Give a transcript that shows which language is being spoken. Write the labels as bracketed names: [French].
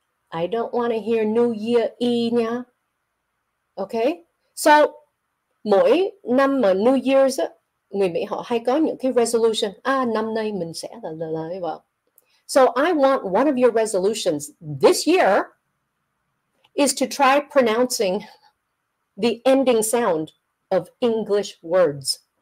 [English] I don't want to hear New Year E nha. Okay? [Vietnamese] So, mỗi năm mà New Year's, người Mỹ họ hay có những cái resolution. Năm nay mình sẽ là vậy. [English] So, I want one of your resolutions this year is to try pronouncing the ending sound of English words.